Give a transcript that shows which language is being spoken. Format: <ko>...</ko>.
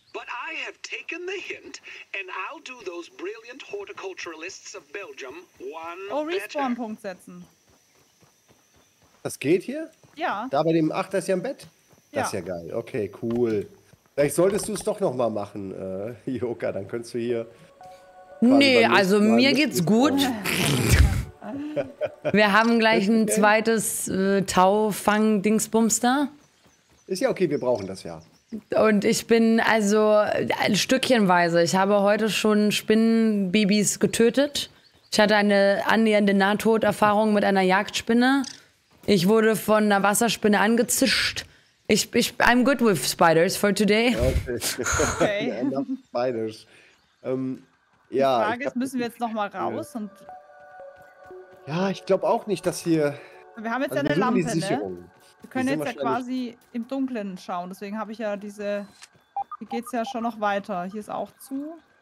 <en>But I have taken the hint, and I'll do those brilliant horticulturalists of Belgium one better.</en> <de>Oh, Respawn-Punkt setzen. Das geht hier? Ja. Da bei dem Achter ist ja im Bett? Ja. Das ist ja geil. Okay, cool. Vielleicht solltest du es doch nochmal machen, Joka. Dann könntest du hier... Nee, also mir geht's gut. Wir haben gleich ein zweites Taufang-Dingsbums da. Ist ja okay, wir brauchen das ja. Und ich bin also stückchenweise. Ich habe heute schon Spinnenbabys getötet. Ich hatte eine annähernde Nahtoderfahrung mit einer Jagdspinne. Ich wurde von einer Wasserspinne angezischt.</de> <en>I'm good with spiders for today.</en> <de>Okay. Okay. Spiders. Ja, die Frage ist, müssen wir jetzt nochmal raus? Und ja, ich glaube auch nicht, dass hier... Wir haben jetzt also eine Lampe, ne? Wir können jetzt ja quasi im Dunkeln schauen. Deswegen habe ich ja diese... Hier geht es ja schon noch weiter. Hier ist auch zu.</de>